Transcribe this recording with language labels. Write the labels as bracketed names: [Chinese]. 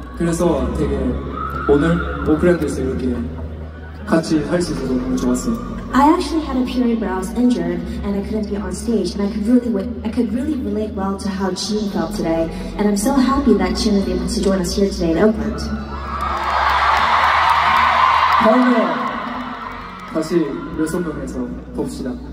[Korean] 그래서 되게 오늘 오클랜드에서 이렇게 같이 할 수 있어서 너무 좋았어요. [English] I actually had a period where I was injured and I couldn't be on stage and I could really relate well to how Jiung felt today and I'm so happy that Jiung was able to join us here today in Oakland. [Korean] 다음에 다시 6 명에서 봅시다.